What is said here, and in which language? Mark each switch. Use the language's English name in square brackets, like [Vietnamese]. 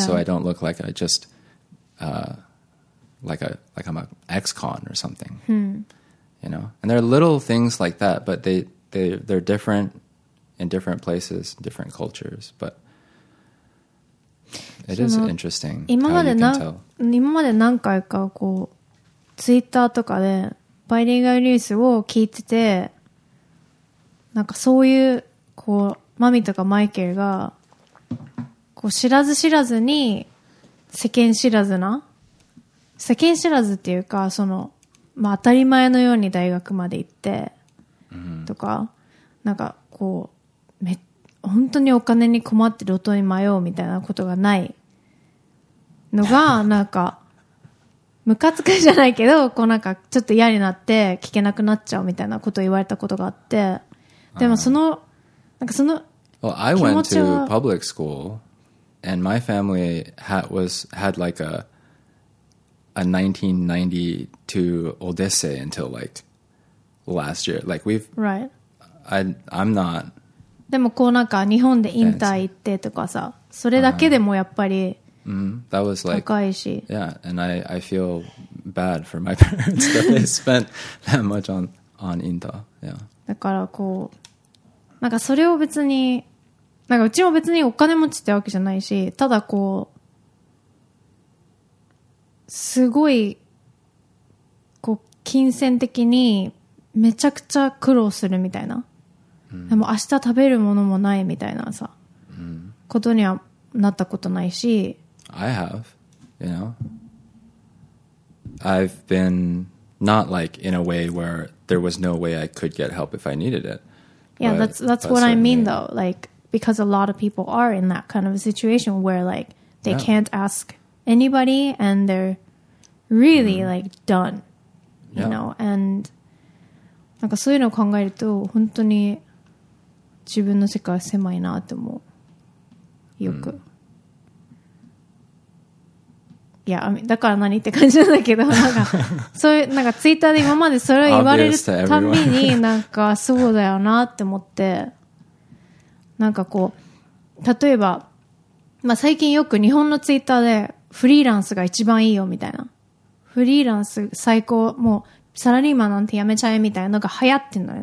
[English] so I don't look like I just、like I'm an ex-con or something、 hmm. you know, and there are little things like that, but they're different in different places, different cultures, but it is interesting how you can tell. [Japanese] 今まで何回かこう Twitter とかでバイリンガルニュースを聞いてて、なんかそういうこうマミとかマイケルが知らず知らずに世間知らずな、世間知らずっていうか、その、まあ、当たり前のように大学まで行ってとか、 mm-hmm. なんかこう本当にお金に困って路頭に迷うみたいなことがないのがなんかムカつくじゃないけど、こうなんかちょっと嫌になって聞けなくなっちゃうみたいなことを言われたことがあって、でもその、uh-huh. なんかその気持ちは、 [English] well, I went to public schoolAnd my family had like a 1992 Odyssey until like last year. Like we've... Right. I'm not... [Japanese] でもこうなんか日本でインター行ってとかさ、それだけでもやっぱり、 [English] mm-hmm. That was like, [Japanese] 高いし。 [English] Yeah, and I feel bad for my parents that they spent that much on インター。 Yeah. [Japanese] だからこう、なんかそれを別に、なんかうちも別にお金持ちってわけじゃないし、ただこうすごいこう金銭的にめちゃくちゃ苦労するみたいな、うん、でも明日食べるものもないみたいなさ、うん、ことにはなったことないし、 [English] I have, you know, I've been not like in a way where there was no way I could get help if I needed it. Yeah, but, that's what I mean though, likeBecause a lot of people are in that kind of a situation where, like, they、yeah. can't ask anybody and they're really,、mm-hmm. like, done, you、 yeah. know? [Japanese] And, なんかそういうのを考えると、本当に自分の世界は狭いなって思う。よく。いや、だから何って感じなんだけど、なんか、そういう、なんか Twitter で今までそれを言われるたびに、なんかそうだよなって思って、なんかこう例えば、まあ、最近よく日本のツイッターでフリーランスが一番いいよみたいな、フリーランス最高、もうサラリーマンなんてやめちゃえみたいなのが流行ってんのよ。